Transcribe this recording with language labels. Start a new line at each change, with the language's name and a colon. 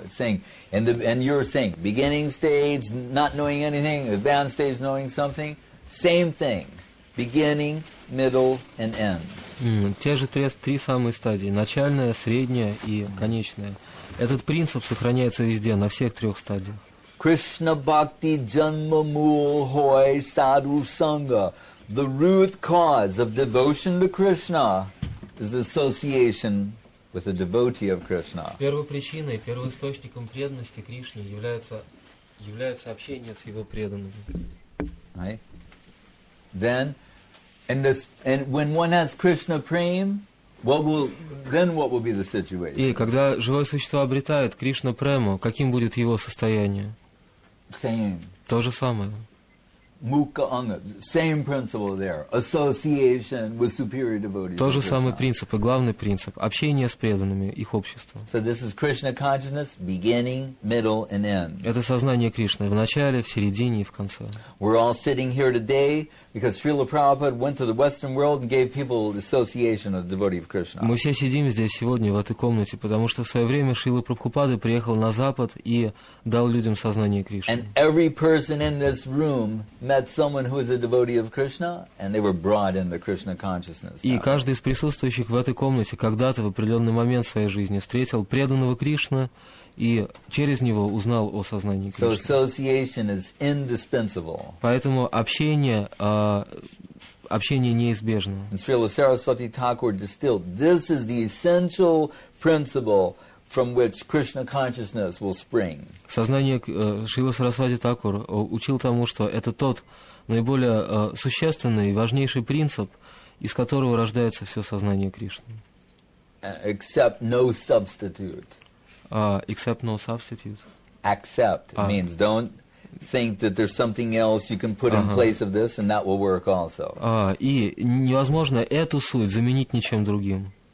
English: It's saying, and you're saying, beginning stage not knowing anything, advanced stage knowing something, same thing. Beginning, middle, and end.
Russian: Те же три самые стадии: начальная, средняя и конечная. Этот принцип сохраняется везде, на всех трех стадиях.
Bangla: Krishna bhakti janma mool hoy sadhu sangha.
English: The root cause of devotion to Krishna is association with a devotee of Krishna.
Russian: Первой причиной, первоисточником преданности Кришне является общение с его преданными.
English: Then, and this, and when one has Krishna prem, what will be the situation?
Russian: И когда живое существо обретает Кришна прему, каким будет его состояние?
English: Same.
Russian: То же самое.
English: Mukha anga. Same principle there. Association with superior devotees.
Russian: То же самый принцип и главный принцип общение с преданными их общества.
English: So this is Krishna consciousness, beginning, middle, and end.
Russian: Это сознание Кришны в начале, в середине и в конце.
English: We're all sitting here today because Srila Prabhupada went to the Western world and gave people association of devotee of Krishna.
Russian: Мы все сидим здесь сегодня в этой комнате, потому что в свое время Шрила Прабхупада приехал на Запад и дал людям сознание Кришны.
English: And every person in this room met someone who is a devotee of Krishna, and they were brought into Krishna consciousness.
Russian: И каждый из присутствующих в этой комнате когда-то в определенный момент своей жизни встретил преданного Кришны и через него узнал о сознании Кришны.
English: So association is indispensable.
Russian: Поэтому общение неизбежно.
English: And Srila Saraswati Thakur distilled: this is the essential principle from which Krishna consciousness will spring.
Russian: Сознание Шрила Сарасвати Такур учил тому, что это тот наиболее существенный и важнейший принцип, из которого рождается все сознание Кришны.
English: Accept no substitute. Accept no substitute. Accept means don't think that there's something else you can put in place of this and that will work also.
Russian: И невозможно эту суть заменить ничем другим.